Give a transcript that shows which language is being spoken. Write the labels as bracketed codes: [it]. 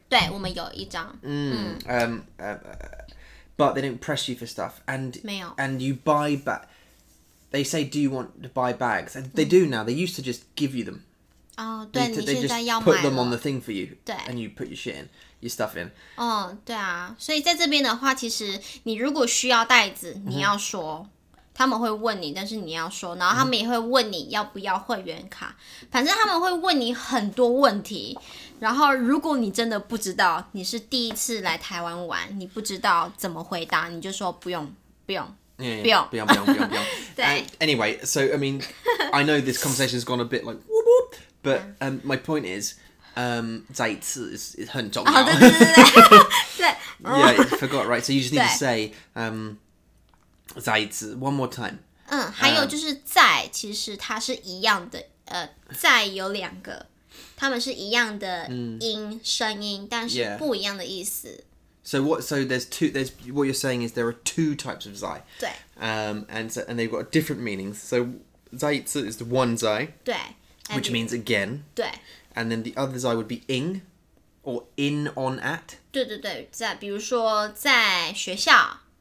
[zh] 对，我们有一张。 [en] But they don't press you for stuff. And, [zh] 没有。 [en] And you buy, but they say, do you want to buy bags? And they do now. They used to just give you them. [zh] Oh, 对，你现在要买了。 [en] They just put them on the thing for you. [zh] 对。 [en] And you put your shit in, your stuff in. [zh] 对啊。所以在这边的话，其实你如果需要袋子，你要说。他们会问你，但是你要说，然后他们也会问你要不要会员卡，反正他们会问你很多问题。然后如果你真的不知道，你是第一次来台湾玩，你不知道怎么回答，你就说不用不用 [en] yeah, yeah, [zh] 不用不用不用不用不用对 [en] anyway, so I mean, I know this conversation has gone a bit like whoop whoop, but my point is, [zh] 再一次 [en] is [zh] 很重要、 oh, 对 [en] yeah, you forgot, right? So you just need to say, [zh] 再一次 [en] one more time. [zh] 嗯，还有就是再，其实它是一样的，再有两个，他们是一样的音、嗯、声音，但是不一样的意思。 [en] So what? So there's two. There's what you're saying is there are two types of 再。 [zh] 对。 [en] And so, and they've got different meanings. So [zh] 再一次 [en] is the one 再。 [zh] 对。 [en] Which means again. [zh] 对。 [en] And then the other 再 would be in, or in on at. [zh] 对对对，在比如说在学校。